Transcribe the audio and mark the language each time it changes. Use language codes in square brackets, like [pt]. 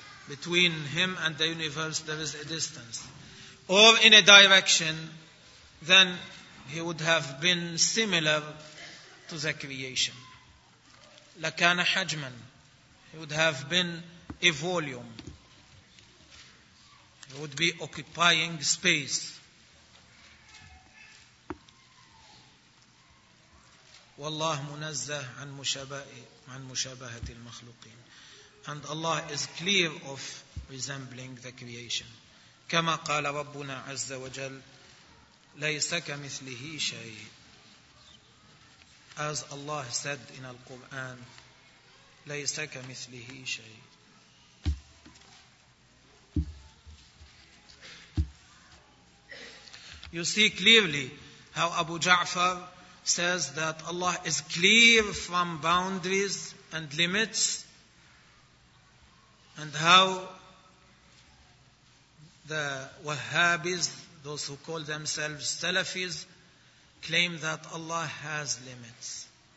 [en] between him and the universe there is a distance, or in a direction, then he would have been similar to the creation. [ar] لَكَانَ حَجْمًا. [en] He would have been a volume. He would be occupying space. [ar] والله منزه عن مشابهة المخلوقين. [en] And Allah is clear of resembling the creation. [ar] كما قال ربنا عز وجل ليس كمثله شيء. [en] As Allah said in the Quran, [ar] ليس كمثله شيء. [en] You see clearly how Abu Ja'far says that Allah is clear from boundaries and limits, and how the Wahhabis, those who call themselves Salafis, claim that Allah has limits.